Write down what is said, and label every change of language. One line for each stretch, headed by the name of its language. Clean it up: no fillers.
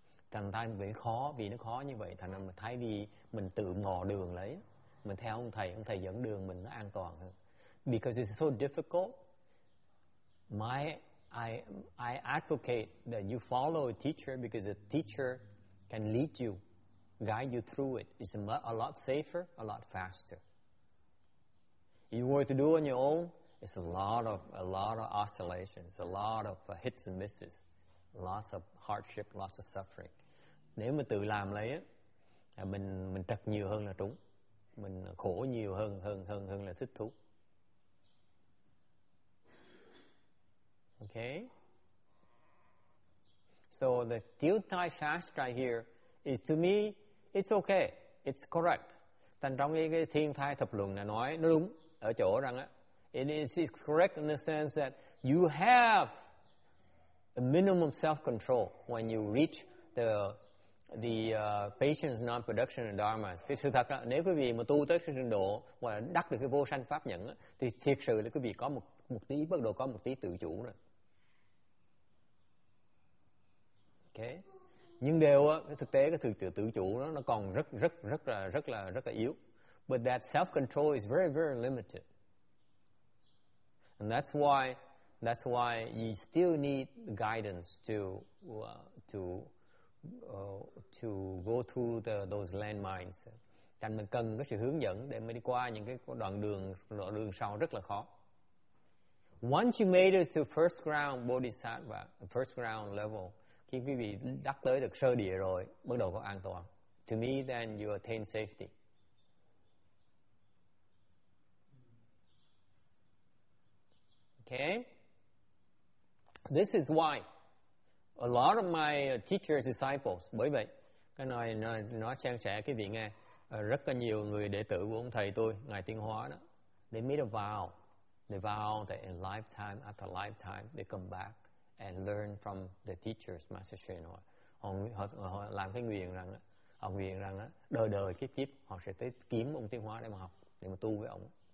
Vietnamese: Thành ra mình khó vì nó khó như vậy. Thành ra mình thay vì mình tự mò đường lấy, mình theo ông thầy dẫn đường mình nó an toàn hơn.
English: Because it's so difficult, my I advocate that you follow a teacher because a teacher can lead you, guide you through it. It's a lot safer, a lot faster. If you were to do it on your own, it's a lot of oscillations, a lot of hits and misses, lots of hardship, lots of suffering.
Vietnamese: Nếu mà tự làm lấy á, mình trật nhiều hơn là trúng, mình khổ nhiều hơn là thích thú.
English: Okay. So the Tirthai Shastra here is to me, it's okay, it's correct.
Vietnamese: Thành trong cái Thiên Thai Thập Luận là nói nó đúng ở chỗ rằng á,
English: it is correct in the sense that you have a minimum self-control when you reach the patience, non-production and dharma.
Vietnamese: Cái sự thật là nếu quý vị mà tu tới cái trình độ và đắc được cái vô sanh pháp nhẫn thì thiệt sự là quý vị có một tí bắt đầu có một tí tự chủ rồi. Okay. Nhưng đều cái thực tế cái sự tự chủ nó còn rất là yếu.
English: But that self-control is very very limited. And that's why you still need guidance to go through those landmines.
Vietnamese: Thành mình cần cái sự hướng dẫn để mình đi qua những cái đoạn đường sau rất là khó.
English: Once you made it to first ground bodhisattva, first ground level,
Vietnamese: khi quý vị đắc tới được sơ địa rồi, bắt đầu có an toàn.
English: To me, then you attain safety. Okay? This is why a lot of my teachers, disciples,
Vietnamese: bởi vậy, cái này nó trang trẻ quý vị nghe, rất là nhiều người đệ tử của ông thầy tôi, Ngài Tiên Hóa đó,
English: they made a vow. They vow that in lifetime after lifetime, they come back and learn from the teachers, Master Shen.
Vietnamese: Họ làm cái nguyện rằng, họ nguyện rằng đời đời kiếp kiếp họ sẽ tới kiếm ông Tiên Hóa để mà học, để mà tu với ông.